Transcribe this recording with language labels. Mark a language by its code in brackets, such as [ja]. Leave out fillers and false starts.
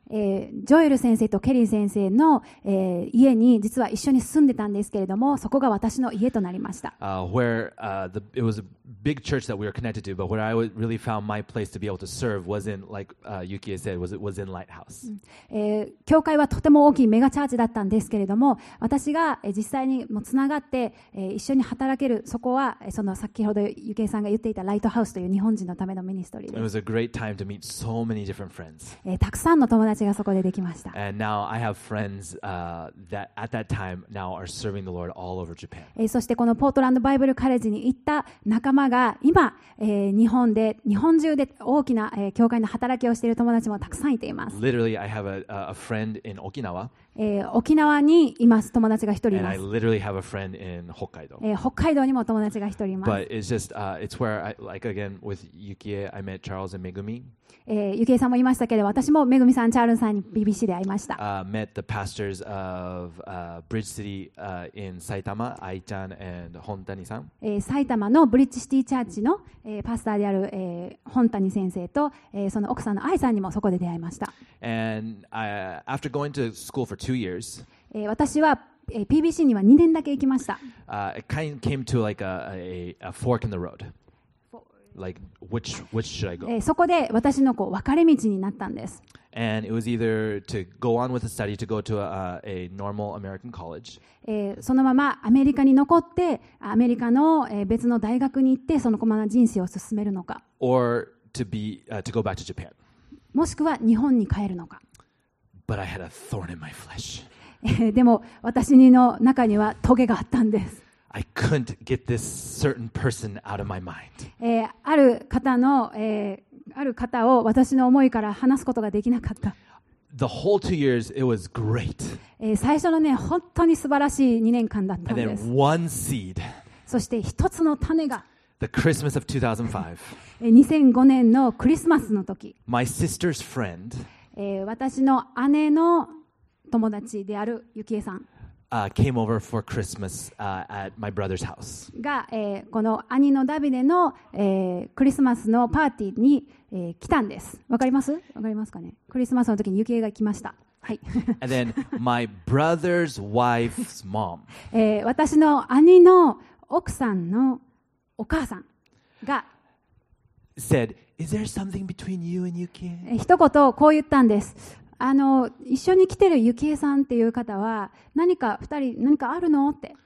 [ja] ジョエル先生とケリー先生の、家に実は一緒に住んでたんですけれども、そこが私の家となりました。 [en] Where, the, it was a big church that we were connected to, but where I really found my place to be able to serve was in, like, Yukie said, was in Lighthouse. [ja] 教会はとても大きいメガチャーチだったんですけれども、私が実際にもつながって一緒に働ける、そこはその先ほどゆけいさんが言っていたライトハウスという日本人のためのミニストリーです。 [en] It was a great time to meet so many different friends. [ja] たくさんの友達がそこでできました。 [en] And now I have friends, that at that time now are serving the Lord all over Japan. [ja] そしてこのポートランドバイブルカレッジに行った仲間が今、日本で日本中で大きな教会の働きをしている友達もたくさんいています。 [en] Literally, I have a friend in Okinawa. [ja] 沖縄にいます友達が一人います。 [en] And I literally have a friend in Hokkaido. [ja] 北海道にも友達が一人います。 [en] But it's just, it's where I, like again with Yukie, I met Charles and Megumi. [ja] Yukie さんも言いましたけど、私もめぐみさん、チャールさんに BBC で会いました。 [en] Met the pastors of Bridge City in Saitama, Ai-chan and Hontani-san. [ja] 埼玉のブリッジシティチャーチの、パスターである、本谷先生と、その奥さんの愛さんにもそこで出会いました。 [en] And after going to school for two years, [ja] 私は、PBC には2年だけ行きました。 [en] It kind of came to like a fork in the road. Like, which should I go? [ja] そこで私のこう分かれ道になったんです。 [en] And it was either to go on with the study to go to a normal American college. [ja] そのままアメリカに残ってアメリカの別の大学に行ってそのまま人生を進めるのか。 [en] Or to go back to Japan. [ja] もしくは日本に帰るのか。 [en] But I had a thorn in my flesh. [ja] でも私の中にはトゲがあったんです。 [en] I couldn't get this certain person out of my mind. [ja] ある方の、ある方を私の思いから話すことができなかった。 [en] The whole two years, it was great. [ja] 最初のね、本当に素晴らしい2年間だったんです。 [en] And then one seed. [ja] そして一つの種が。 [en] The Christmas of 2005. [ja] 2005年のクリスマスの時。 [en] My sister's friend. [ja] 私の姉の友達であるゆきえさん。 [en] Came over for Christmas, at my brother's house. [ja] が、この兄のダビデの、クリスマスのパーティーに、来たんです。わかります？わかりますかね？クリスマスの時にユキエが来ました。はい。 [en] And then my brother's wife's mom. [ja] 私の兄の奥さんのお母さんが [en] said, "Is there something between you and Yuki?" [ja] 一言こう言ったんです。あの一緒に来てるユキエさんっていう方は何か二人何かあるのって。